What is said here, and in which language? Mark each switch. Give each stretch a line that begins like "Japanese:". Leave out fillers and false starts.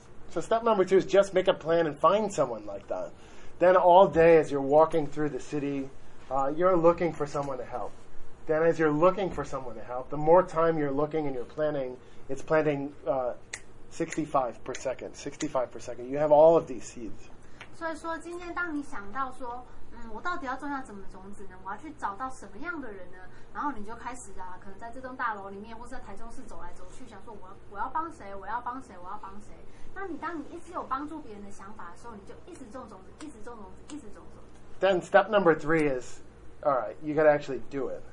English: So, step number two is just make a plan and find someone like that. Then all day as you're walking through the city, you're looking for someone to help. Then as you're looking for someone to help, the more time you're looking and you're planning, it's planting 65 per second, 65 per second. You have all of these seeds.
Chinese: 所以说今天当你想到说我到底要种下什么种子呢？我要去找到什么样的人呢？然后你就开始啊，可能在这栋大楼里面，或是在台中市走来走去，想说我要帮谁？我要帮谁？我要帮谁？那你当你一直有帮助别人的想法的时候，你就一直种种子，一直种种子，一直种种子。
English: Then step number three is, all right, you got to actually do it.